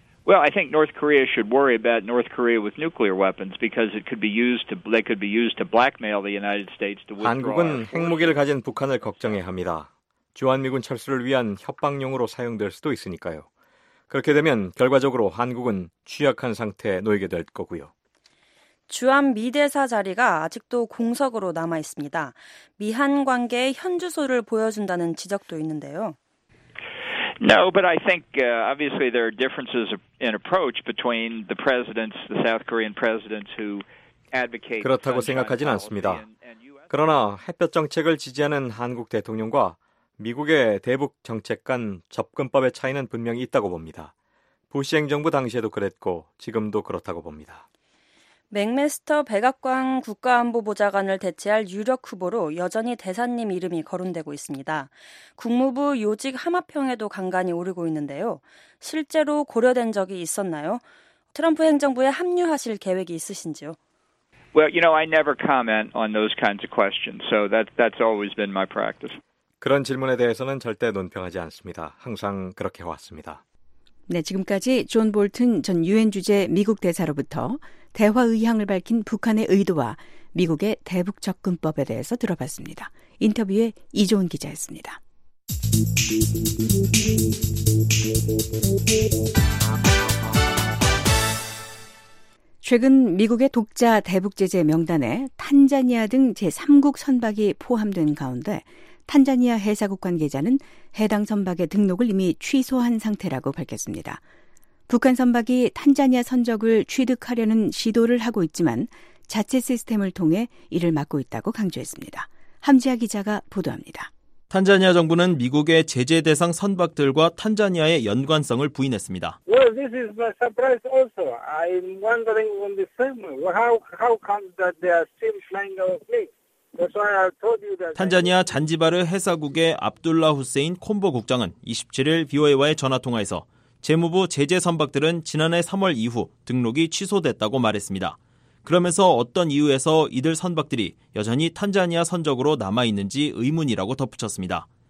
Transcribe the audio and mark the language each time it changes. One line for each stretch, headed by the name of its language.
English: Well, I think North Korea should worry about North Korea with nuclear weapons because it could be used to they could be used to blackmail the United States to withdraw.
Korean: 한국은 핵무기를 가진 북한을 걱정해야 합니다. 주한미군 철수를 위한 협박용으로 사용될 수도 있으니까요. 그렇게 되면 결과적으로 한국은 취약한 상태에 놓이게 될 거고요. 주한 미대사 자리가 아직도 공석으로 남아 있습니다. 미한 관계의 현주소를 보여준다는 지적도 있는데요.
English: No, but I think obviously there are differences in approach between the presidents, the South Korean presidents who advocate.
Korean: 그렇다고 생각하진 않습니다. 그러나 햇볕 정책을 지지하는 한국 대통령과 미국의 대북 정책 간 접근법의 차이는 분명히 있다고 봅니다. 부시 행정부 당시에도 그랬고 지금도 그렇다고 봅니다. 맥메스터 백악관 국가안보보좌관을 대체할 유력 후보로 여전히 대사님 이름이 거론되고 있습니다. 국무부 요직 함합형에도 간간이 오르고 있는데요. 실제로 고려된 적이 있었나요? 트럼프 행정부에 합류하실 계획이 있으신지요?
English: Well, you know, I never comment on those kinds of questions. So that's always been my practice.
Korean: 그런 질문에 대해서는 절대 논평하지 않습니다. 항상 그렇게 해왔습니다. 네, 지금까지 존 볼튼 전 유엔 주재 미국 대사로부터 대화 의향을 밝힌 북한의 의도와 미국의 대북 접근법에 대해서 들어봤습니다. 인터뷰에 이종훈 기자였습니다. 최근 미국의 독자 대북 제재 명단에 탄자니아 등 제3국 선박이 포함된 가운데 탄자니아 해사국 관계자는 해당 선박의 등록을 이미 취소한 상태라고 밝혔습니다. 북한 선박이 탄자니아 선적을 취득하려는 시도를 하고 있지만 자체 시스템을 통해 이를 막고 있다고 강조했습니다. 함지아 기자가 보도합니다. 탄자니아 정부는 미국의 제재 대상 선박들과 탄자니아의 연관성을 부인했습니다.
English: Well, this is my surprise also. I'm wondering on the same. How come that they are still flying our fleet?
Korean: 탄자니아 잔지바르 해사국의 압둘라 후세인 콤보 국장은 27일 VOA와의 전화통화에서 재무부 제재 선박들은 지난해 3월 이후 등록이 취소됐다고 말했습니다. 그러면서 어떤 이유에서 이들 선박들이 여전히 탄자니아 선적으로 남아있는지 의문이라고 덧붙였습니다.